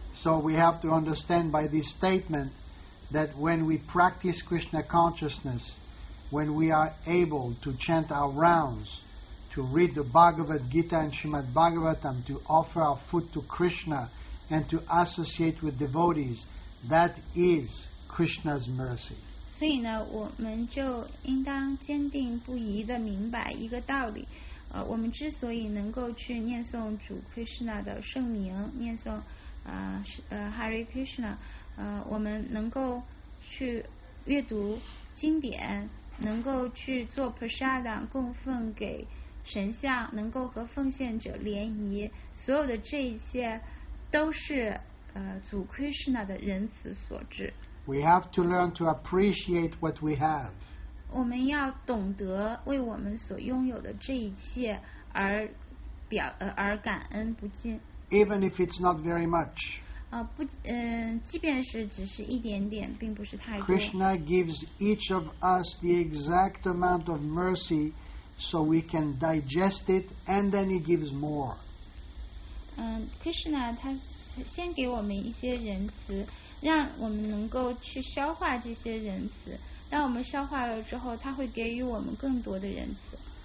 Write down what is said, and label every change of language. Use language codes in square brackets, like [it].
[en] So we have to understand by this statement that when we practice Krishna consciousness, when we are able to chant our rounds, to read the Bhagavad Gita and Srimad Bhagavatam, to offer our food to Krishna, and to associate with devotees, that is Krishna's mercy. [zh] 所以呢，我们就应当坚定不移地明白一个道理，我们之所以能够去念诵主 Krishna 的圣名，念诵Hare Krishna， 我们能够去阅读经典，能够去做 prasadam 供奉给神像，能够和奉献者联谊，所有的这一切都是主 Krishna 的仁慈所致。 [en] We have to learn to appreciate what we have。 [zh] 我们要懂得为我们所拥有的这一切而感恩不尽。 [en] Even if it's not very much. [zh] 即便是只是一点点，并不是太多。 [en] Krishna gives each of us the exact amount of mercy so we can digest it, and then he gives more. [zh] Krishna 他先给我们一些仁慈，让我们能够去消化这些仁慈。当我们消化了之后，他会给予我们更多的仁慈。